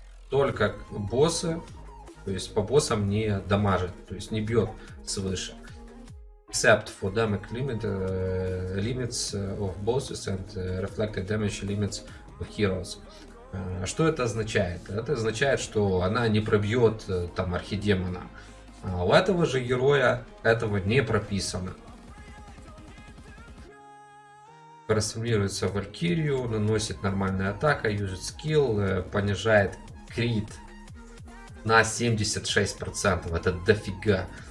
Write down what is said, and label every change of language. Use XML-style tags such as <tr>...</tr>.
<ru>только боссы, то есть по боссам не дамажит, то есть не бьет свыше.</ru> <en>Except for damage limit, limits of bosses and reflected damage limits of heroes.</en> <ru>Что это означает? Это означает, что она не пробьет там архидемона. А у этого же героя этого не прописано. Просуммируется Валькирию, наносит нормальную атаку, юзит скилл, понижает крит на 76%, это дофига.</ru>